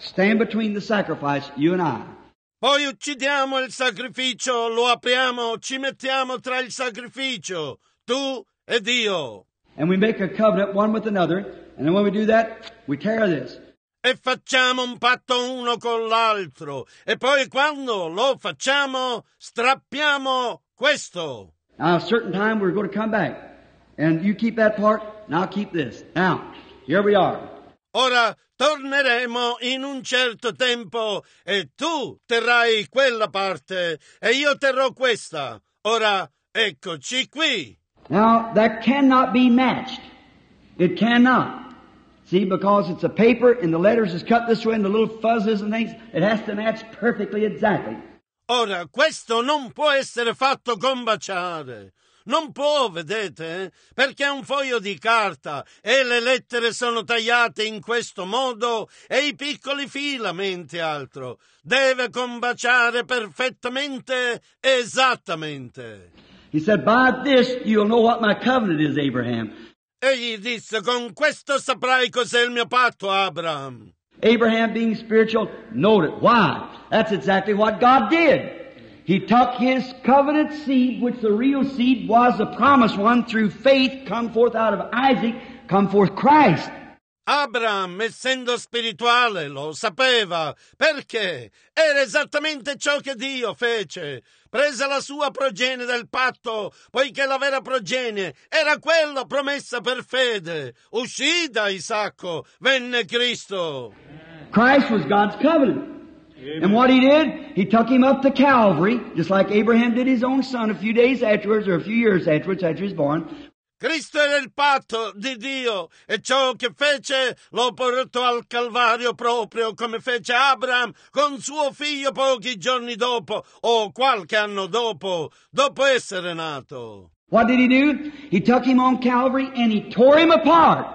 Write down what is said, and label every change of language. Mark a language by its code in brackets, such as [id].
[en] Stand between the sacrifice, you and I. [it] Poi uccidiamo il sacrificio, lo apriamo, ci mettiamo tra il sacrificio, tu e Dio. [en] And we make a covenant one with another, and then when we do that, we tear this. [it] E facciamo un patto uno con l'altro, e poi quando lo facciamo, strappiamo questo. [en] Now, a certain time we're going to come back, and you keep that part, and I'll keep this. Now, here we are. [it] Ora torneremo in un certo tempo e tu terrai quella parte e io terrò questa. Ora eccoci qui. [en] Now that cannot be matched. It cannot. See, because it's a paper and the letters is cut this way and the little fuzzes and things, it has to match perfectly exactly. [it] Ora questo non può essere fatto combaciare. Non può, vedete, perché è un foglio di carta e le lettere sono tagliate in questo modo e i piccoli filamenti altro. Deve combaciare perfettamente, esattamente. [en] He said, "By this you'll know what my covenant is, Abraham." [it] Egli disse, "Con questo saprai cos'è il mio patto, Abraham." [en] Abraham being spiritual, noted. Why? That's exactly what God did. He took his covenant seed, which the real seed was the promised one, through faith, come forth out of Isaac, come forth Christ. [it] Abraham, essendo spirituale, lo sapeva. Perché? Era esattamente ciò che Dio fece. Prese la sua progenie dal patto, poiché la vera progenie era quella promessa per fede. Uscì da Isacco, venne Cristo. [en] Christ was God's covenant. And what he did, he took him up to Calvary, just like Abraham did his own son a few days afterwards, or a few years afterwards, after he was born. [it] Cristo era il patto di Dio, e ciò che fece lo portò al Calvario proprio, come fece Abraham con suo figlio pochi giorni dopo, o qualche anno dopo essere nato. [en] What did he do? He took him on Calvary and he tore him apart.